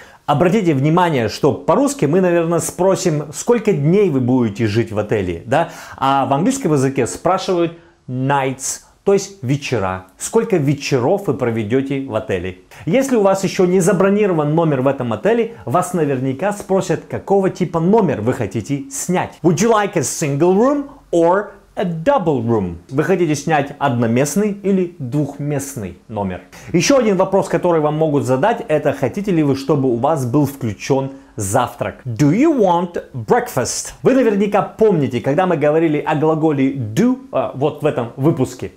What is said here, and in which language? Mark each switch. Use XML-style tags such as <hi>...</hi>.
<ru>Обратите внимание, что по-русски мы, наверное, спросим, сколько дней вы будете жить в отеле, да? А в английском языке спрашивают nights, то есть вечера. Сколько вечеров вы проведете в отеле? Если у вас еще не забронирован номер в этом отеле, вас наверняка спросят, какого типа номер вы хотите снять.</ru> <en>Would you like a single room or a double room?</en> <ru>Вы хотите снять одноместный или двухместный номер? Еще один вопрос, который вам могут задать, это хотите ли вы, чтобы у вас был включен завтрак?</ru> <en>Do you want breakfast?</en> <ru>Вы наверняка помните, когда мы говорили о глаголе do, вот в этом выпуске.</ru>